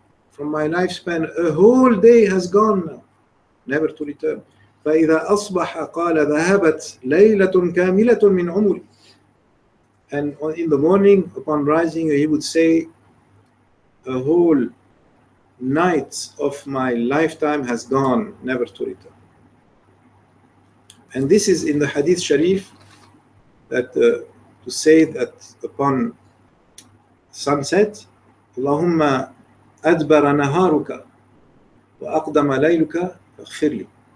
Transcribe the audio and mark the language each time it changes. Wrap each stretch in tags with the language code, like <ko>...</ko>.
<en>From my lifespan a whole day has gone never to return.</en> <ar>فإذا أصبح قال ذهبت ليلة كاملة من عمري.</ar> <en>And in the morning upon rising he would say a whole night of my lifetime has gone, never to return. And this is in the Hadith Sharif, that to say that upon sunset,</en> <ar>Allahumma adbara naharuka wa aqdama layluka faghfir li.</ar>